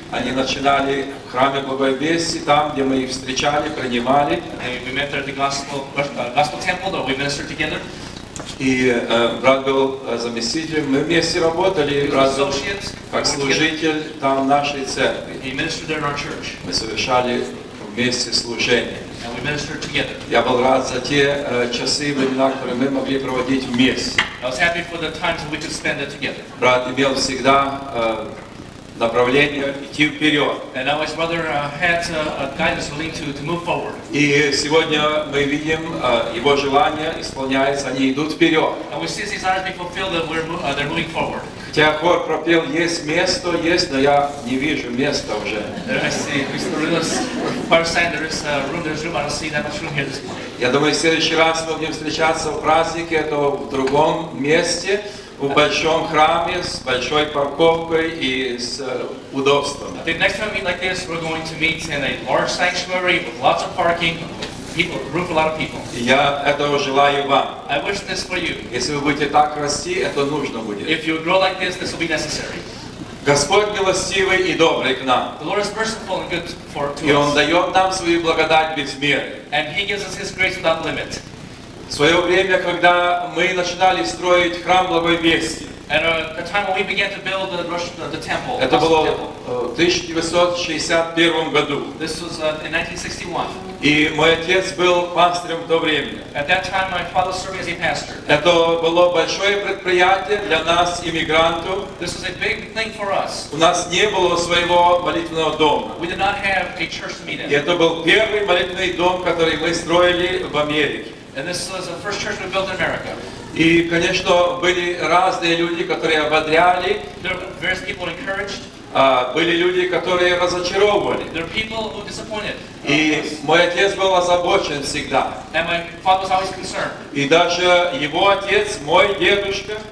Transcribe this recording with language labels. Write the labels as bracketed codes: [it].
[ru] Они начинали в храме Благовестия, там, где мы их встречали, принимали. [en] And we met there at the gospel temple that we ministered together. [ru] И брат был заместителем. Мы вместе работали, брат, как служитель там в нашей церкви. [en] He ministered there in our church. [ru] Мы совершали вместе служение. [en] And we ministered together. [ru] Я был рад за те часы, времена, которые мы могли проводить вместе. [en] I was happy for the times we could spend it together. [ru] Брат имел всегда направление идти вперед. [en] And now his brother had a guidance willing to move forward. [ru] И сегодня мы видим его желания исполняются, они идут вперед. [en] And we see his desire to be fulfilled, and they're moving forward. [ru] Хотя хор пропел, есть место, есть, но я не вижу места уже. [en] I see Mr. Rudas, fire sign, there's room, I don't see that much room here this morning. [ru] Я думаю, в следующий раз мы будем встречаться в празднике, то в другом месте. В большом храме с большой парковкой и с удобством. [en] I think next time we meet like this, we're going to meet in a large sanctuary with lots of parking, people, room for a lot of people. [ru] Я этого желаю вам. [en] I wish this for you. [ru] Если вы будете так расти, это нужно будет. [en] If you grow like this, this will be necessary. [ru] Господь милостивый и добрый к нам. [en] The Lord is merciful and good for to us. [ru] И Он дает нам свою благодать без меры. [en] And He gives us His grace without limit. [ru] В свое время, когда мы начинали строить храм Благовестия, это было в 1961 году. [en] This was, in 1961. [ru] И мой отец был пастором в то время. [en] At that time, my father served as a pastor. [ru] Это было большое предприятие для нас, иммигрантов. [en] This was a big thing for us. [ru] У нас не было своего молитвенного дома. [en] We did not have a church to meet in. [ru] И это был первый молитвенный дом, который мы строили в Америке. [en] And this was the first church we built in America. [ru] И, конечно, были разные люди, которые ободряли. [en] There were various people encouraged. [ru] Были люди, которые разочаровывали. [en] There were people who disappointed. [ru] И мой отец был озабочен всегда. [en] And my father was always concerned. [ru] И даже его отец, мой дедушка,